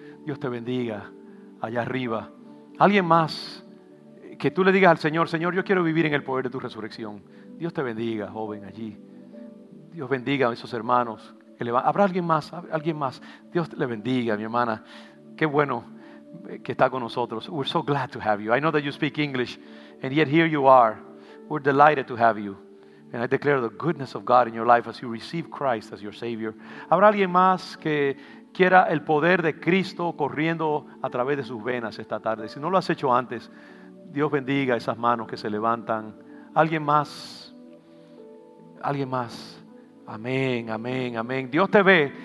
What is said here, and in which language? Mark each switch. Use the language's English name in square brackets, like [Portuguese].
[Spanish] Dios te bendiga allá arriba. ¿Alguien más? Que tú le digas al Señor: Señor, yo quiero vivir en el poder de tu resurrección. Dios te bendiga, joven, allí. Dios bendiga a esos hermanos. ¿Habrá alguien más? ¿Alguien más? Dios le bendiga, mi hermana. Qué bueno que está con nosotros. [English] We're so glad to have you. I know that you speak English, and yet here you are. We're delighted to have you. And I declare the goodness of God in your life as you receive Christ as your Savior. [Spanish] ¿Habrá alguien más que quiera el poder de Cristo corriendo a través de sus venas esta tarde? Si no lo has hecho antes, Dios bendiga esas manos que se levantan. ¿Alguien más? ¿Alguien más? Amén, amén, amén. Dios te ve.